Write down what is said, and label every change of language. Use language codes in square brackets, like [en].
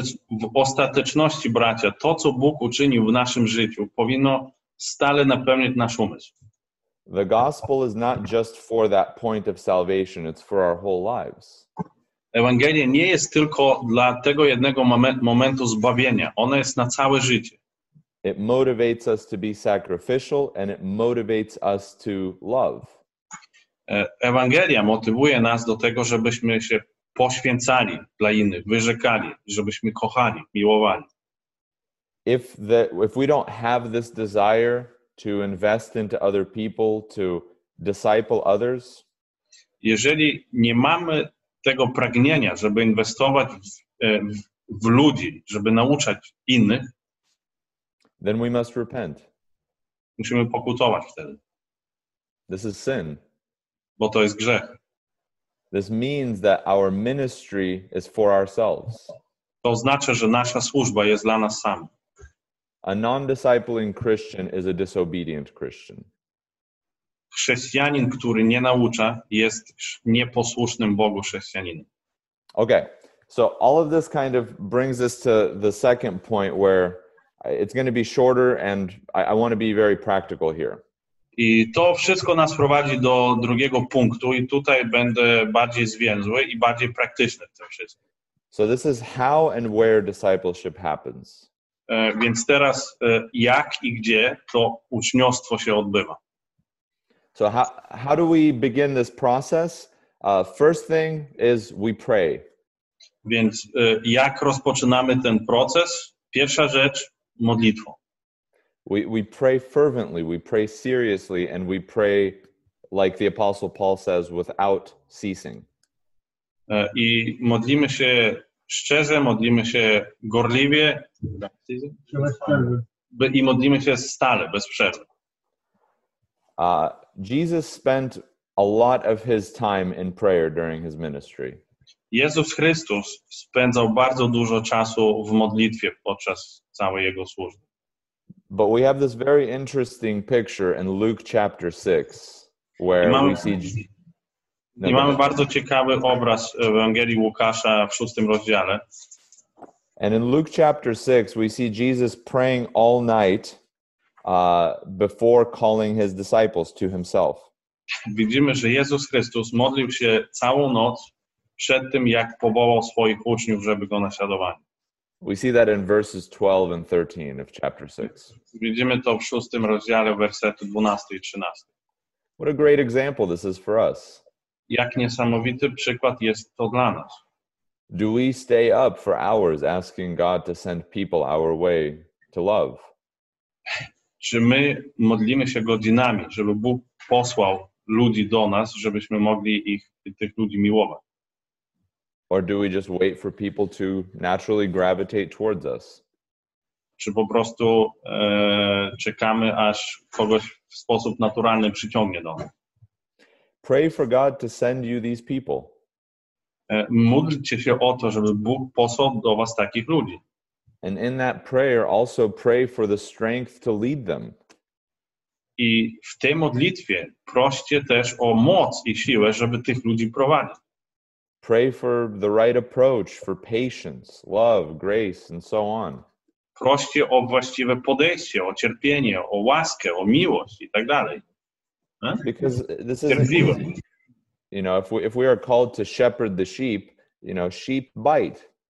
[pl] w ostateczności, bracia, to, co Bóg uczynił w naszym życiu, powinno stale napełniać nasz umysł. [en] The gospel is not just for that point of salvation, it's for our whole lives. [pl] Ewangelia nie jest tylko dla tego jednego momentu zbawienia. Ona jest na całe życie. [en] It motivates us to be sacrificial and it motivates us to love. [pl] Ewangelia motywuje nas do tego, żebyśmy się poświęcali dla innych, wyrzekali, żebyśmy kochali, miłowali. [en] If we don't have this desire to invest into other people, to disciple others, [pl] jeżeli nie mamy tego pragnienia, żeby inwestować w ludzi, żeby nauczać innych, [en] then we must repent. [pl] Musimy pokutować wtedy. [en] This is sin. [pl] Bo to jest grzech. [en] This means that our ministry is for ourselves. [pl] To oznacza, że nasza służba jest dla nas samych. [en] A non-discipling Christian is a disobedient Christian. [pl] Chrześcijanin, który nie naucza, jest nieposłusznym Bogu chrześcijaninem. [en] Okay, so all of this kind of brings us to the second point where it's going to be shorter and I want to be very practical here. [pl] I to wszystko nas prowadzi do drugiego punktu i tutaj będę bardziej zwięzły i bardziej praktyczny w tym wszystkim. [en] So this is how and where discipleship happens. [pl] Więc teraz jak i gdzie to uczniostwo się odbywa. [en] So how do we begin this process? First thing is we pray. [pl] Więc jak rozpoczynamy ten proces? Pierwsza rzecz, modlitwa. [en] We pray fervently, we pray seriously, and we pray like the Apostle Paul says, without ceasing. [pl] I modlimy się szczerze, modlimy się gorliwie, i modlimy się stale, bez przerwy. [en] Jesus spent a lot of his time in prayer during his ministry. [pl] Jezus Chrystus spędzał bardzo dużo czasu w modlitwie podczas całej jego służby. [en] But we have this very interesting picture in Luke chapter 6, where we see. [pl] I mamy bardzo ciekawy obraz w Ewangelii Łukasza w 6 rozdziale. [en] And in Luke chapter 6, we see Jesus praying all night before calling his disciples to himself. [pl] Widzimy, że Jezus Chrystus modlił się całą noc przed tym, jak powołał swoich uczniów, żeby go naśladowali. [en] We see that in verses 12 and 13 of chapter 6. [pl] Widzimy to w 6 rozdziale, wersety 12 i 13. [en] What a great example this is for us. [pl] Jak niesamowity przykład jest to dla nas. [en] Do we stay up for hours asking God to send people our way to love? [pl] Czy my modlimy się godzinami, żeby Bóg posłał ludzi do nas, żebyśmy mogli ich tych ludzi miłować? [en] Or do we just wait for people to naturally gravitate towards us? [pl] Czy po prostu czekamy, aż kogoś w sposób naturalny przyciągnie do nas? [en] Pray for God to send you these people. [pl] Módlcie się o to, żeby Bóg posłał do was takich ludzi. [en] And in that prayer also pray for the strength to lead them. [pl] I w tej modlitwie proście też o moc i siłę, żeby tych ludzi prowadzić. [en] Pray for the right approach, for patience, love, grace, and so on. [pl] Proście o właściwe podejście, o cierpienie, o łaskę, o miłość i tak dalej. [en] Because this is, you know, if we are called to shepherd the sheep, you know, sheep bite.